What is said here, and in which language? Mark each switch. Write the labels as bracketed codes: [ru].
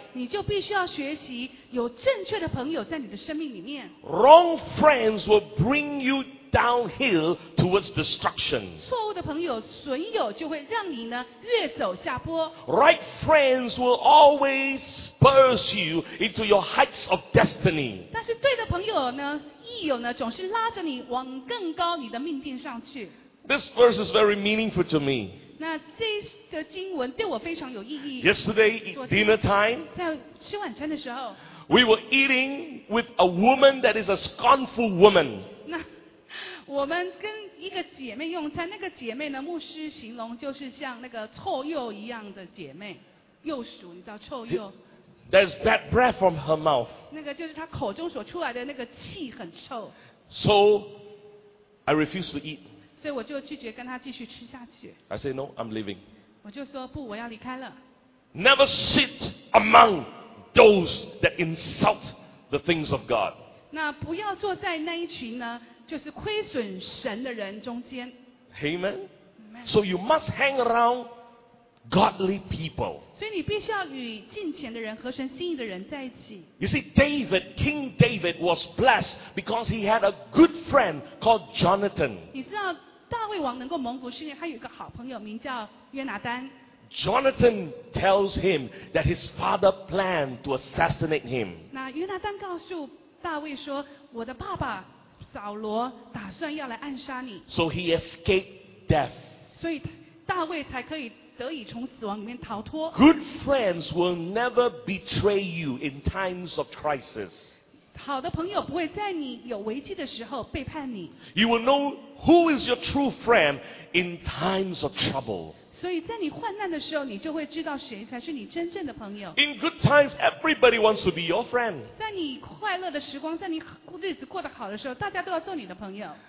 [zh] 你就必须要学习有正确的朋友在你的生命里面。 [en] Wrong friends will bring you downhill towards destruction. [zh] 错误的朋友损友就会让你呢越走下坡。 [en] Right friends will always spurs you into your heights of destiny. [zh] 但是对的朋友呢益友呢总是拉着你往更高你的命定上去。 [en] This verse is very meaningful to me. [zh] 那这个经文对我非常有意义。 [en] Yesterday dinner time, [zh] 在吃晚餐的时候， [en] we were eating with a woman that is a scornful woman. [zh] 那我们跟一个姐妹用餐，那个姐妹呢，牧师形容就是像那个臭鼬一样的姐妹，鼬鼠，你知道臭鼬。 [en] There's bad breath from her mouth. [zh] 那个就是她口中所出来的那个气很臭。 [en] So I refuse to eat. [zh] 所以我就拒绝跟她继续吃下去。 [en] I say no, I'm leaving. [zh] 我就说不，我要离开了。 [en] Never sit among those that insult the things of God. [zh] 那不要坐在那一群呢。就是亏损神的人中间。 [en] Amen. So you must hang around godly people. [zh] 所以你必须要与敬虔的人、合神心意的人在一起。 [en] You see, David, King David was blessed because he had a good friend called Jonathan. [zh] 你知道大卫王能够蒙福，是因为他有一个好朋友，名叫约拿丹。 [en] Jonathan tells him that his father planned to assassinate him. [zh] 那约拿丹告诉大卫说，我的爸爸扫罗打算要来暗杀你。 [en] So he escaped death. [zh] 所以大卫才可以得以从死亡里面逃脱。 [en] Good friends will never betray you in times of crisis. [zh] 好的朋友不会在你有危机的时候背叛你。 [en] You will know who is your true friend in times of trouble. [zh] 所以在你患难的时候，你就会知道谁才是你真正的朋友。 [en] In good times, everybody wants to be your friend. [zh] 在你快乐的时光，在你日子过得好的时候，大家都要做你的朋友。